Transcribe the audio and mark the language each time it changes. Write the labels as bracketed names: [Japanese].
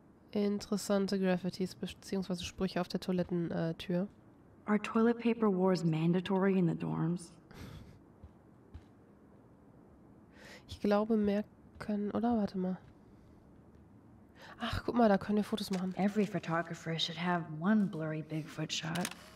[German] Interessante Graffitis bzw. Sprüche auf der Toilettentür. [English] Are toilet paper wars mandatory in the dorms? [German] Ich glaube, mehr können, oder? Warte mal. Ach, guck mal, da können wir Fotos machen. [English] Every photographer should have one blurry Bigfoot shot.